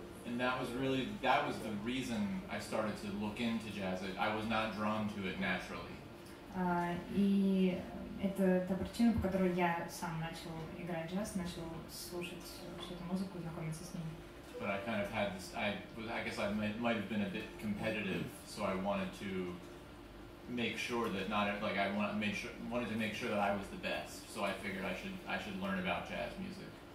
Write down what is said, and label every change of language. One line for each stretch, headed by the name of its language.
English: And that was the reason I started to look into jazz. I was not drawn to it naturally.
Russian: И это та причина, по которой я сам начал играть джаз, начал слушать всю эту музыку, знакомиться с ней.
English: But I kind of had this, I guess I might have been a bit competitive, so I wanted to make sure that I wanted to make sure that I was the best. So I figured I should learn about jazz music.